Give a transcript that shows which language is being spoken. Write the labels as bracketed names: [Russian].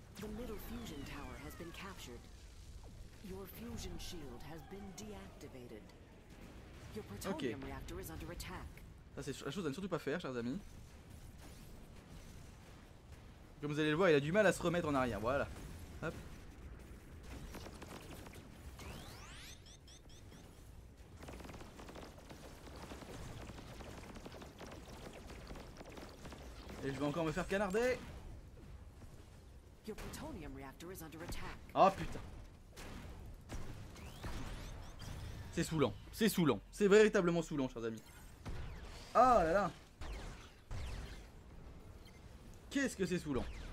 [English] The middle fusion tower has been captured. Your fusion shield has been deactivated. Your plutonium reactor is under attack. [French] Ça, c'est la chose à ne surtout pas faire, chers amis. Comme vous allez le voir, il a du mal à se remettre en arrière. Voilà. Hop. Et je vais encore me faire canarder. [English] Your plutonium reactor is under attack. [French] Oh putain. C'est saoulant, c'est saoulant, c'est véritablement saoulant, chers amis. Ah là là! Qu'est-ce que c'est saoulant?